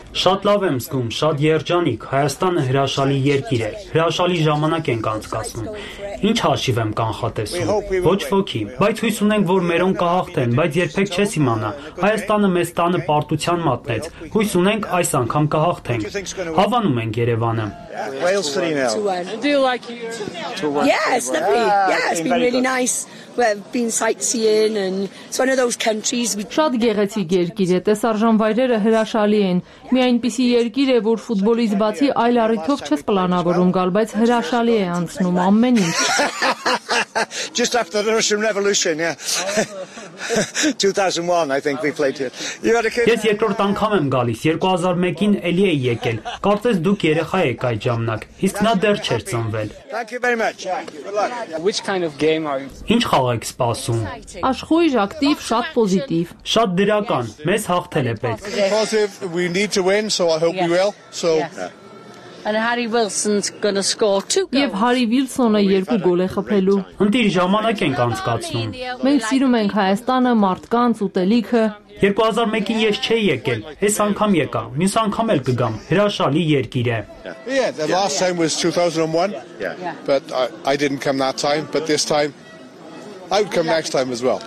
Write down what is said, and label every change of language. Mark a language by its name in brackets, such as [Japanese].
[Armenian] Շատ լավ եմ զգում, շատ երջանիկ, Հայաստանը հրաշալի երկիր է, հրաշալի ժամանակ ենք անցկացնում, ինչ հաշիվ եմ կանխատեսում, ոչ ոքի, բայց հույս ունենք, որ մերոն կհաղթեն, բայց երբեք չես իմանա, Հայաստանը մեզ տանը պարտության մատնեց, հույս ունենք այս անգամ կհաղթենք, հավանում ենք Երևանը։ [English] Wales 3-0. 2-1. Do you like it? Yes, yeah, lovely. Yeah, it's been really nice. We've been sightseeing and it's one of those countries we [Armenian] շատ գեղեցիկ երկիր է, տեսարժան վայրերը հրաշալի են։ Մի այնպիսի երկիր է, որ ֆուտբոլից բացի այլ առիթով չես պլանավորում գալ, բայց հրաշալի է անցնում ամեն ինչ։ [English] Just after the Russian Revolution, yeah. 2001, I think we played here. You had a kid? [Armenian] Ես երկրորդ անգամ եմ գալիս, 2001-ին էլի էի եկել։ Կարծես դուք երեխա եք այդ ժամանակ, իսկ նա դեռ չէր ծնվել։ [English] Thank you very much. Good luck. Which kind of game are you? [Armenian] Ինչ խաղ եք սպասում? Աշխույժ, ակտիվ, շատ պոզիտիվ։ Շատ դրական, մեզ հաղթել է պետք։ [English] Positive, we need to win, so I hope we will. So And Harry Wilson's going to score 2 goals. [Armenian] Եվ Harry Wilson-ը 2 գոլ է խփելու։ Ընդդիր ժամանակ ենք անցկացնում։ Մենք սիրում ենք Հայաստանը, մարդկանց, ուտելիքը։ 2001-ին ես չէի եկել, այս անգամ եկա, մյուս անգամ էլ կգամ, հրաշալի երկիր է։ [English] Yeah, the last time was 2001. Yeah. But I didn't come that time, but this time I would come next time as well.